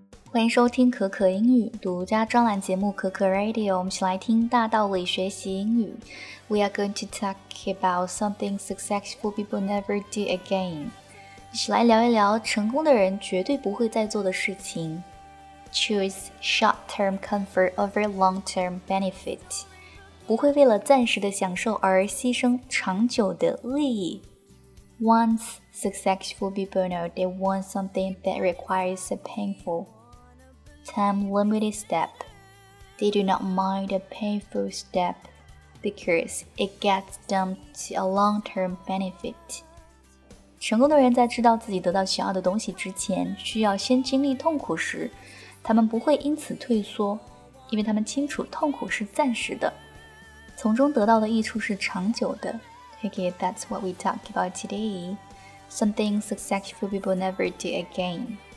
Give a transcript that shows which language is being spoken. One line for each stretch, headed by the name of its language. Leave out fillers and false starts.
Chinese: 欢迎收听可可英语独家专栏节目可可 Radio， 我们一起来听大道理学习英语。
English: We are going to talk about something successful people never do again.
Chinese: 一起来聊一聊成功的人绝对不会再做的事情。
English: Choose short-term comfort over long-term benefit.
Chinese: 不会为了暂时的享受而牺牲长久的利益。
English: Once successful people know they want something that requires a painful time-limited step. They do not mind a painful step because it gets them to a long-term benefit.
Chinese: 成功的人在知道自己得到想要的东西之前需要先经历痛苦时，他们不会因此退缩，因为他们清楚痛苦是暂时的，从中得到的益处是长久的。
English: Okay, that's what we talk about today. Something successful people never do again.